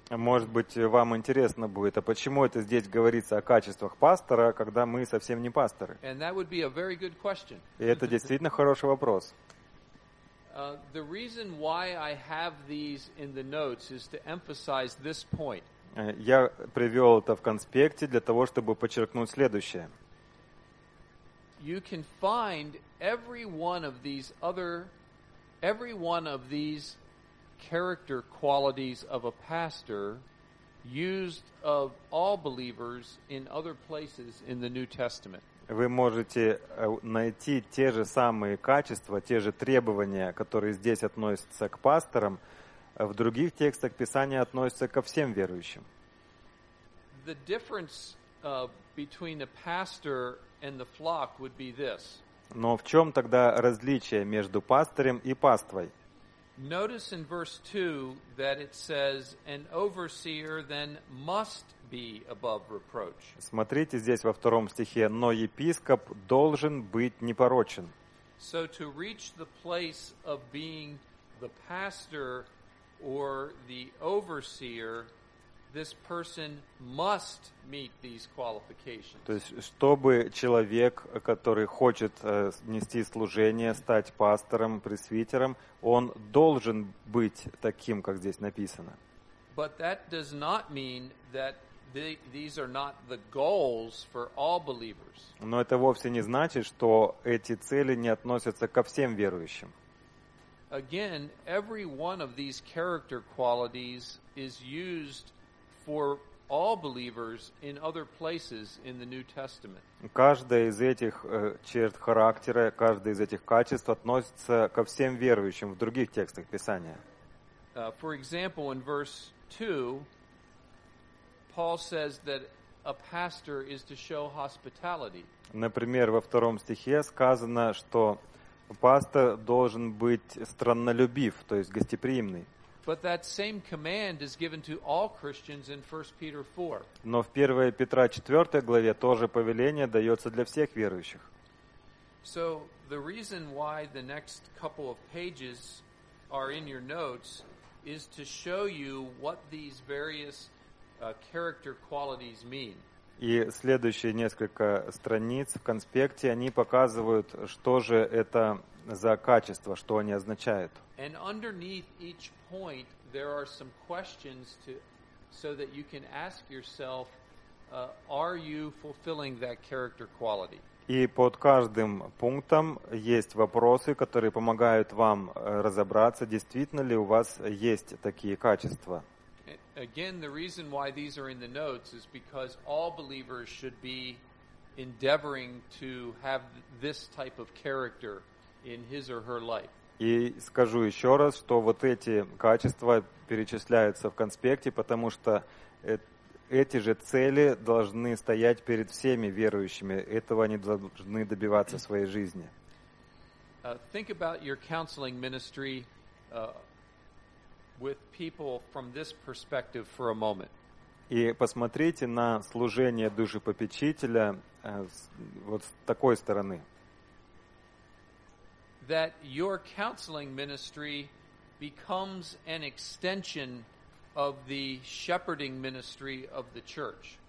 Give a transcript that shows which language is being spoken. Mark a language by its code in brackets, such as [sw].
[ru] Может быть, вам интересно будет, а почему это здесь говорится о качествах пастора, когда мы совсем не пасторы? [en] And that would be a very good question. [ru] И это действительно хороший вопрос. [en] The reason why I have these in the notes is to emphasize this point. [ru] Я привел это в конспекте для того, чтобы подчеркнуть следующее. [en] You can find every one of these character qualities of a pastor used of all believers in other places in the New Testament. [ru] Вы можете найти те же самые качества, те же требования, которые здесь относятся к пасторам, в других текстах Писания относятся ко всем верующим. [en] The difference between a pastor and the flock would be this. [ru] Но в чем тогда различие между пастырем и паствой? [en] Notice in verse 2 that it says an overseer then must be above reproach. [ru] Смотрите здесь во втором стихе, но епископ должен быть непорочен. [en] So to reach the place of being the pastor or the overseer, this person must meet these qualifications. [ru] То есть, чтобы человек, который хочет нести служение, стать пастором, пресвитером, он должен быть таким, как здесь написано. [en] But that does not mean that these are not the goals for all believers. [ru] Но это вовсе не значит, что эти цели не относятся ко всем верующим. [en] Again, every one of these character qualities is used for all believers in other places in the New Testament. [ru] Каждая из этих черт характера, каждое из этих качеств относится ко всем верующим в других текстах Писания. [en] For example, in verse 2, Paul says that a pastor is to show hospitality. [ru] Например, во втором стихе сказано, что пастор должен быть страннолюбив, то есть гостеприимный. [en] But that same command is given to all Christians in 1 Peter 4. [ru] Но в 1 Петра 4 главе тоже повеление дается для всех верующих. [en] So the reason why the next couple of pages are in your notes is to show you what these various character qualities mean. [ru] И следующие несколько страниц в конспекте, они показывают, что же это за качества, что они означают. [en] And underneath each point there are some questions to so that you can ask yourself, are you fulfilling that character quality? [ru] И под каждым пунктом есть вопросы, которые помогают вам разобраться, действительно ли у вас есть такие качества. [en] Again, the reason why these are in the notes is because all believers should be endeavoring to have this type of character in his or her life. [ru] И скажу еще раз, что вот эти качества перечисляются в конспекте, потому что эти же цели должны стоять перед всеми верующими. Этого они должны добиваться в своей жизни. [en] Think about your counseling ministry with people from this perspective for a moment. [ru] И посмотрите на служение душепопечителя вот с такой стороны. [en] That your counseling ministry becomes an extension of the shepherding ministry of the church.